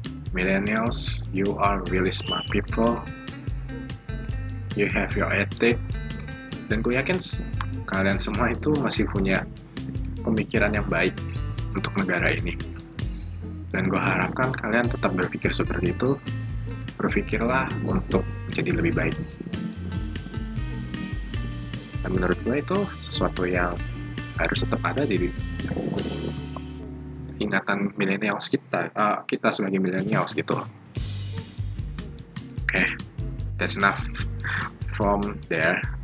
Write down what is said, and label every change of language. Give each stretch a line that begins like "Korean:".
English: Millennials, you are really smart people. You have your ethic.
Indonesian: Dan gue yakin kalian semua itu masih punya pemikiran yang baik untuk negara ini. Dan gue harapkan kalian tetap berpikir seperti itu. Berpikirlah untuk jadi lebih baik. Dan menurut gue itu sesuatu yang harus tetap ada di ingatan millennials kita, kita sebagai millennials gitu.
English: Oke, okay, that's enough from there.